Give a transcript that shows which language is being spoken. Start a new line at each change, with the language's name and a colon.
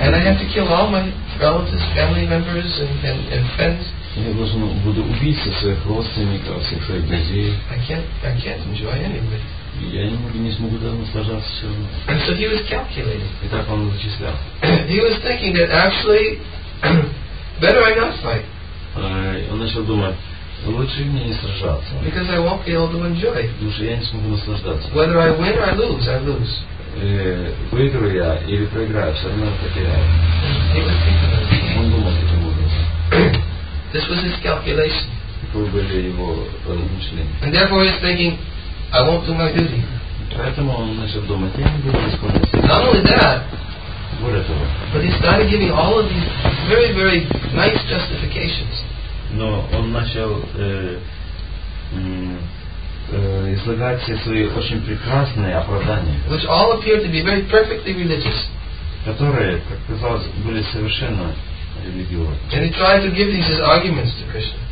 English: and I have to kill all my relatives, family members, and friends.
Russian: Я должен буду убить со своих родственников, всех своих друзей.
English: I can't enjoy anybody. And so he was calculating.
Russian: И так он вычислял.
English: He was thinking that actually better I not fight.
Russian: Он начал думать, лучше мне не сражаться.
English: Because I won't be able to enjoy.
Russian: Потому что я не смогу наслаждаться.
English: Whether I win or I lose, I lose.
Russian: Выиграю я или проиграю, все равно потеряю.
English: He was thinking.
Russian: Он думал таким образом.
English: This was his calculation.
Russian: Такое были его размышления.
English: And therefore he's thinking, I won't do my duty.
Russian: Поэтому он начал думать, я не буду исполнять.
English: Not only that,
Russian: более того,
English: but he started giving all of these very, very nice justifications.
Russian: Но он начал излагать все свои очень прекрасные оправдания,
English: which all appeared to be very perfectly religious.
Russian: Которые, как казалось, были совершенно религиозны.
English: And he tried to give these arguments to Krishna.